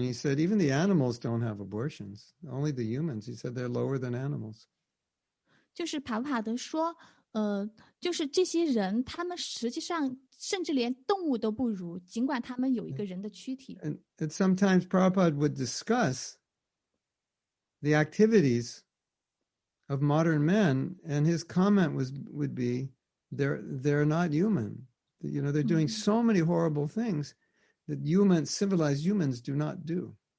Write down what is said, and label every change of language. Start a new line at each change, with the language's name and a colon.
English: He said, even the animals don't have abortions. Only the humans. He said, they're lower than animals.
Chinese: 就是帕帕德说, 就是这些人, 他们实际上甚至连动物都不如,
English: and sometimes Prabhupada would discuss the activities of modern men, and his comment would be, they're not human. You know, they're doing so many horrible things that humans, civilized humans do not do.